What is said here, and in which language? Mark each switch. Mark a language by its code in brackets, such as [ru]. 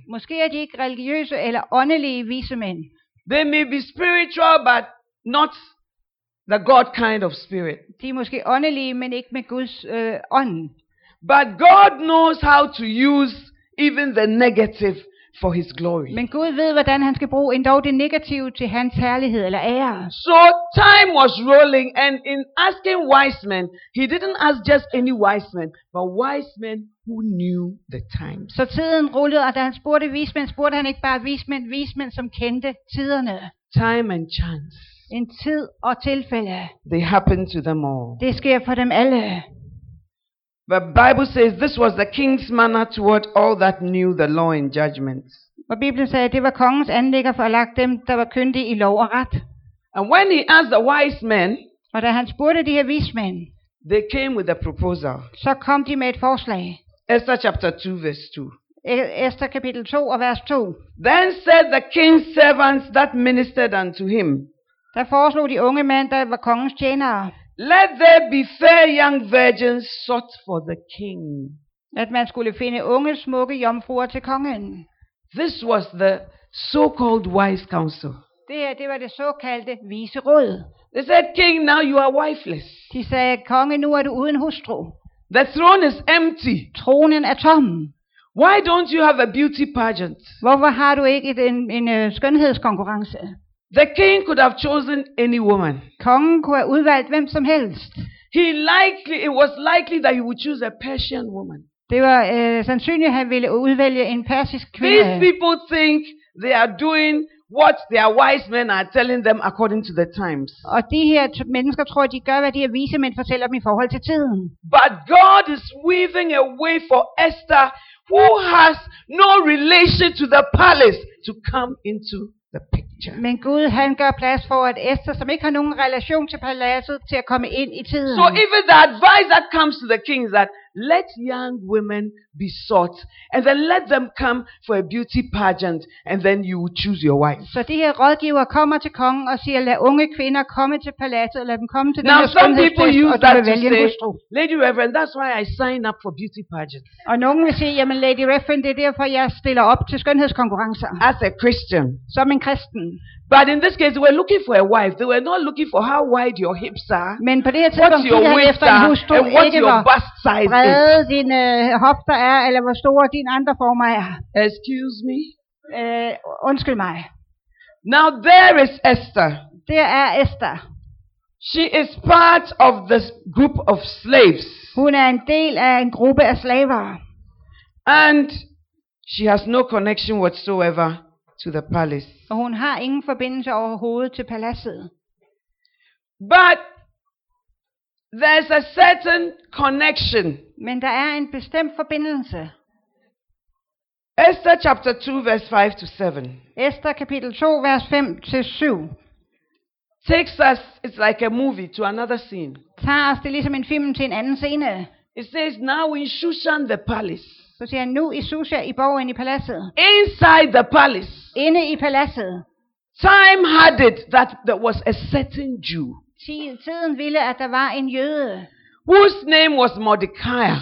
[da] Måske er de ikke religiøse eller åndelige vismænd. [en] They may be spiritual but not the God kind of spirit. [da] De er måske åndelige, men ikke med Guds ånd. [en] But God knows how to use even the negative for his glory. [da] Men Gud ved hvordan han skal bruge endog det negative til hans herlighed eller ære. [en] So time was rolling and in asking wise men, he didn't ask just any wise men, but wise men who knew the times. [da] Så tiden rullede og da han spurgte vismænd, spurgte han ikke bare vismænd som kendte tiderne. [en] Time and chance. [da] En tid og tilfælde. [en] They happened to them all. [da] Det sker for dem alle. [en] The Bible says this was the king's manner toward all that knew the law and judgments. [da] Og Bibelen siger, det var kongens anlægger for at lagt dem, der var kyndige i lov og ret. [en] And when he asked the wise men, [da] og da han spurgte de her vismænd, [en] they came with a proposal. [da] Så kom de med et forslag. [en] Esther chapter 2 verse 2. [da] Esther kapitel 2 og vers 2. [en] Then said the king's servants that ministered unto him. [da] Der foreslog de unge mænd, der var kongens tjenere. [en] Let there be fair young virgins sought for the king. [da] At man skulle finde unge smukke jomfruer til kongen. [en] This was the so-called wise counsel. [da] Det her, det var det såkaldte vise råd. [en] They said, king, now you are wifeless. [da] De sagde, konge, nu er du uden hustru. [en] The throne is empty. [da] Tronen er tom. [en] Why don't you have a beauty pageant? [da] Hvorfor har du ikke en skønhedskonkurrence? [en] The king could have chosen any woman. [da] Kongen kunne have udvalgt hvem som helst. [en] It was likely that he would choose a Persian woman. [da] Det var sandsynligt, han ville udvælge en persisk kvinde. [en] These people think they are doing what their wise men are telling them according to the times. [da] Og de her mennesker tror, de gør, hvad de her vise mænd fortæller dem i forhold til tiden. [en] But God is weaving a way for Esther, who has no relation to the palace, to come into the picture. [da] Men Gud han gør plads for at Esther som ikke har nogen relation til paladset til at komme ind i tiden. [en] So even the advice that comes to the king is that let young women be sought and then let them come for a beauty pageant and then you will choose your wife. [da] Så de her rådgiver kommer til kongen og siger lad unge kvinder komme til paladset og lad dem komme til [en] now, [da] den her skønhedsfest og de vil vælge en hustru. [en] Lady Reverend, that's why I sign up for beauty pageants. [da] Og nogen vil sige, jamen Lady Reverend, det er derfor jeg stiller op til skønhedskonkurrencer. [en] As a Christian. [da] Som en kristen. [en] But in this case, they were looking for a wife. They were not looking for how wide your hips are. [da] Men på det her tidspunkt, [en] what's your waist are, [da] hustru, [en] and what your bust size is. [da] Din hofter er, eller hvor store din andre former er. [en] Excuse me. [da] Undskyld mig. [en] Now there is Esther. [da] Der er Esther. [en] She is part of this group of slaves. [da] Hun er en del af en gruppe af slaver. [en] And she has no connection whatsoever to the palace. [da] Og hun har ingen forbindelse overhovedet til paladset. [en] But there's a certain connection. [da] Men der er en bestemt forbindelse. [en] Esther chapter 2 verse 5 to 7. [da] Esther kapitel 2 vers 5 til 7. [en] Takes us, it's like a movie to another scene. [da] Tager os, det er ligesom en film til en anden scene. [en] It says now in Shushan the palace. [da] Så siger han, nu i Susa i borgen i paladset. [en] Inside the palace. [da] Inde i paladset. [en] Time had it that there was a certain Jew. [da] Tiden ville at der var en jøde. [en] Whose name was Mordecai?